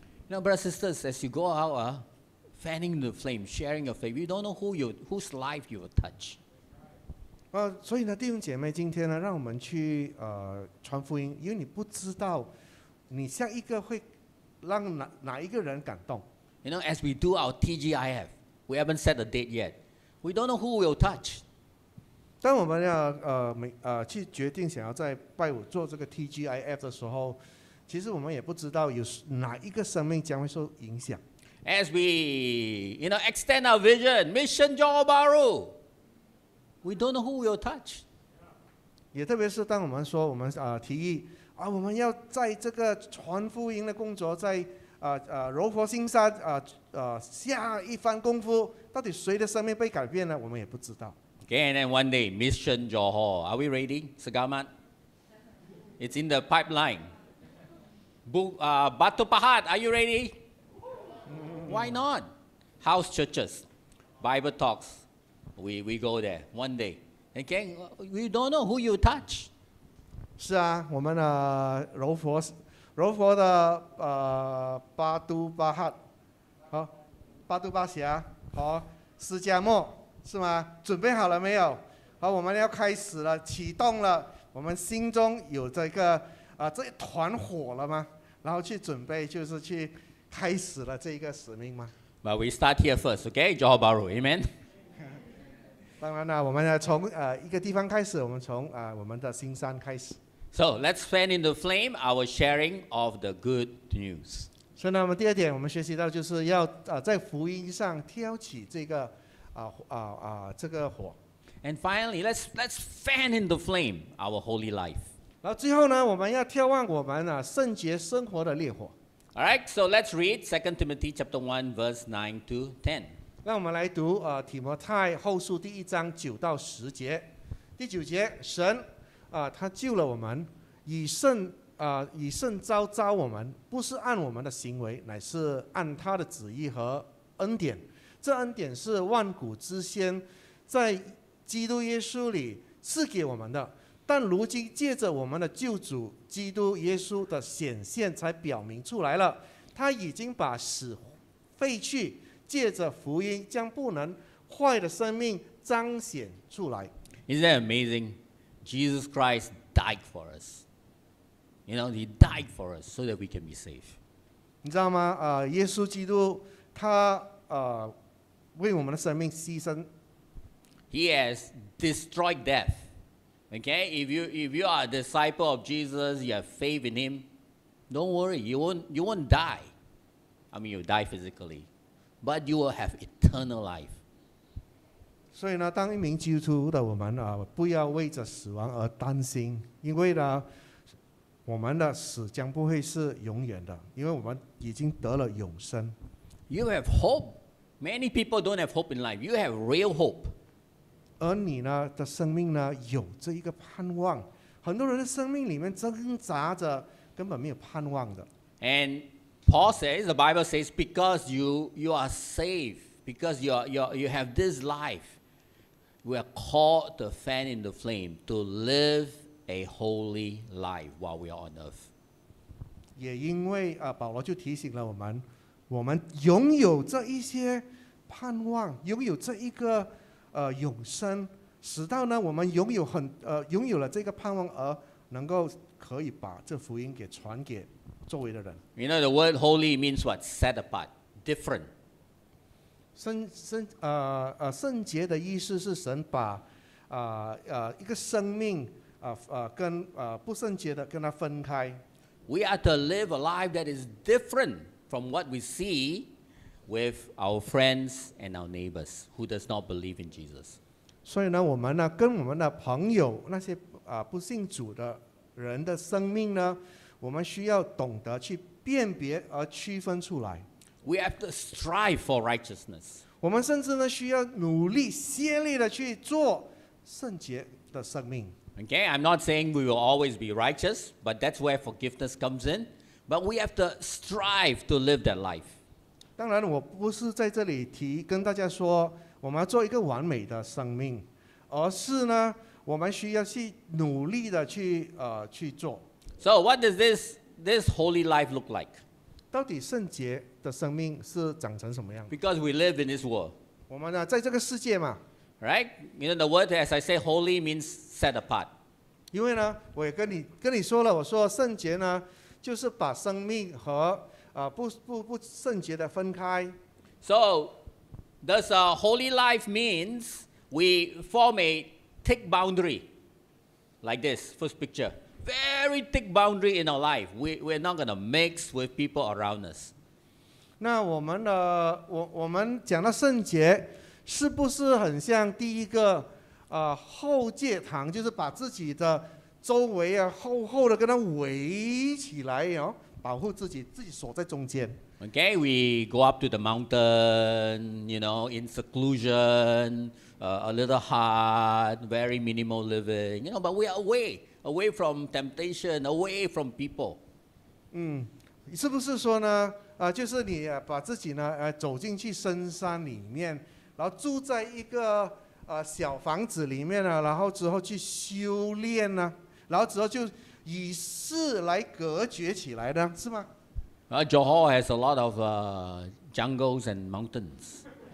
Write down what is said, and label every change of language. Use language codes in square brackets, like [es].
[en] Now, brothers and sisters, as you go out, fanning the flame, sharing your faith, we don't know whose life you will touch. [zh] 所以呢，弟兄姐妹，今天呢，让我们去传福音，因为你不知道你下一个会让哪一个人感动。 [en] You know, as we do our TGIF, we haven't set a date yet. We don't know who will touch. [zh] 当我们要去决定想要在拜五做这个 TGIF 的时候，其实我们也不知道有哪一个生命将会受影响。 [en] As we, you know, extend our vision, mission Johor Bahru, we don't know who will touch. [zh] 也特别是当我们说我们提议啊，我们要在这个传福音的工作在柔佛新山下一番功夫，到底谁的生命被改变呢？我们也不知道。 [en] Okay, and then one day, Mission Johor. Are we ready, Segamat? It's in the pipeline. Batu Pahat, are you ready? Why not? House churches, Bible talks, we go there one day. Okay, we don't know who you touch. [zh] 是啊，我们柔佛的Batu Pahat, 好 ，Batu Pasir, 好，释迦莫。是吗？准备好了没有？好，我们要开始了，启动了。我们心中有这个这一团火了吗？然后去准备，就是去开始了这一个使命吗 [en] ？But we start here first, okay, Johor Bahru, amen. [zh] 当然了，我们要从一个地方开始，我们从我们的新山开始。 [en] So let's fan in the flame our sharing of the good news. [zh] 所以呢，我们第二点，我们学习到就是要在福音上挑起这个。这个火。 [en] And finally, let's fan in the flame our holy life. [zh] 然后最后呢，我们要眺望我们圣洁生活的烈火。 All right, so let's read 2 Timothy chapter 1, verse 9 to 10. 让我们来读提摩太后书第一章九到十节。第九节，神他救了我们，以圣召召我们，不是按我们的行为，乃是按他的旨意和恩典。这恩典是万古之先在基督耶稣里赐给我们的，但如今借着我们的救主基督耶稣的显现才表明出来了。他已经把死废去，借着福音将不能坏的生命彰显出来。 [en] Isn't that amazing? Jesus Christ died for us. You know, he died for us so that we can be saved. [zh] 你知道吗？耶稣基督他为我们的生命牺牲。 [en] He has destroyed death. Okay, if you are a disciple of Jesus, you have faith in him, don't worry, you won't die. I mean, you'll die physically, but you will have eternal life. [zh] 所以呢，当一名基督徒的我们啊，不要为着死亡而担心，因为呢，我们的死将不会是永远的，因为我们已经得了永生。 [en] You have hope. Many people don't have hope in life. You have real hope. [zh] 而你呢的生命呢有这一个盼望，很多人的生命里面挣扎着，根本没有盼望的。 [en] And Paul says, the Bible says, because you are saved, because you have this life, we are called to fan in the flame to live a holy life while we are on earth. [zh] 也因为啊，保罗就提醒了我们，我们拥有这一些盼望，拥有这一个。永生，使到呢，我们拥有很拥有了这个盼望，而能够可以把这福音给传给周围的人。 [en] You know the word holy means what? Set apart, different. [zh] 圣洁的意思是神把一个生命跟不圣洁的跟它分开。 [en] We are to live a life that is different from what we see. With our friends and our neighbors who does not believe in Jesus. [zh] 所以呢，我们呢，跟我们的朋友那些不信主的人的生命呢，我们需要懂得去辨别而区分出来。 [en] We have to strive for righteousness. [zh] 我们甚至呢，需要努力竭力的去做圣洁的生命。 [en] Okay, I'm not saying we will always be righteous, but that's where forgiveness comes in. But we have to strive to live that life. [zh] 当然我不是在这里提跟大家说我们要做一个完美的生命，而是呢我们需要去努力的去做。 [en] So what does this holy life look like? [zh] 到底圣洁的生命是长成什么样？ [en] Because we live in this world. [zh] 我们呢在这个世界嘛。 [en] Right? You know the word, as I say, holy means set apart. [zh] 因为呢我也跟你说了，我说圣洁呢就是把生命和不圣洁的分开。 [en] So, does a holy life means we form a thick boundary like this? First picture, very thick boundary in our life. We're not gonna mix with people around us. [zh] 那我们的我们讲到圣洁，是不是很像第一个后界堂，就是把自己的周围啊厚厚的跟它围起来哟？保护自己锁在中间。 [en] Okay, we go up to the mountain, you know, in seclusion, a little hut, very minimal living, you know. But we are away from temptation, away from people. [zh] 是不是说呢？就是你把自己呢，走进去深山里面，然后住在一个小房子里面呢，然后之后去修炼呢，然后之后就。以事来隔绝起来的是吗？ [en] Johor has a lot of jungles and mountains.